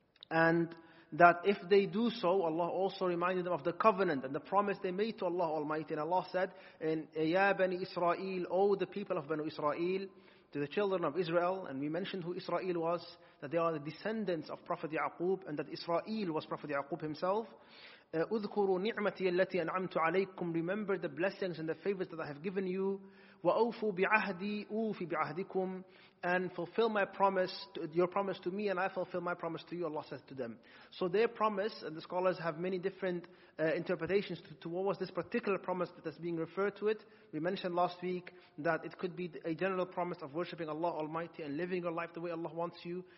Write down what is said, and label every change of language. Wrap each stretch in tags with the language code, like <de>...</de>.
<en>And that if they do so, Allah also reminded them of the covenant and the promise they made to Allah Almighty. And Allah said, Ya Bani Israel, O the people of Banu Israel, to the children of Israel, and we mentioned who Israel was, that they are the descendants of Prophet Ya'qub, and that Israel was Prophet Ya'qub himself.</en> <ar>اذكروا نعمتي التي أنعمت عليكم.</ar> <en>Remember the blessings and the favors that I have given you.</en> <ar>وأوفوا بعهدي أوفي بعهدكم.</ar> <en>And fulfill my promise, your promise to me, and I fulfill my promise to you, Allah says to them. So their promise, and the scholars have many different interpretations to what was this particular promise that is being referred to it. We mentioned last week that it could be a general promise of worshipping Allah Almighty and living your life the way Allah wants you.</en>